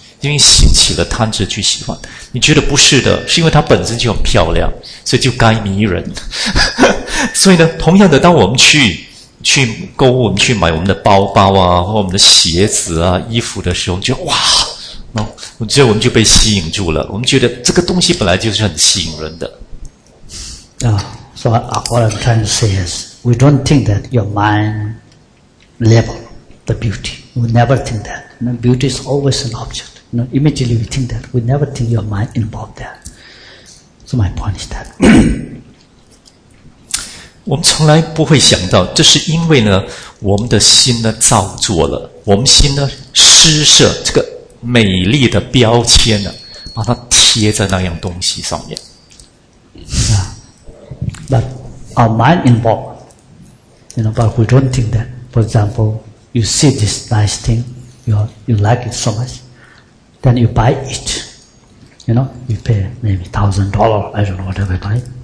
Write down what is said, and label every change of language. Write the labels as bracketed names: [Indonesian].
[Chinese] 因为心起了贪执去喜欢，你觉得不是的，是因为它本身就很漂亮，所以就该迷人。所以呢，同样的，当我们去购物，我们去买我们的包包啊，或我们的鞋子啊、衣服的时候，就哇，然后我觉得我们就被吸引住了。我们觉得这个东西本来就是很吸引人的。 [English] 啊、，so what I'm trying to say is, we don't think that your mind level the beauty. We never think that. And beauty is always an object. No, immediately we think that. We never think your mind involved there. So my point is that. [Chinese] 我们从来不会想到，这是因为呢，我们的心呢造作了，我们心呢施设这个美丽的标签呢，把它贴在那样东西上面。 [English] Yeah. But our mind involved. You know, but we don't think that. For example, you see this nice thing, you like it so much. Then you buy it, you know, you pay maybe $1,000, I don't know, whatever you buy.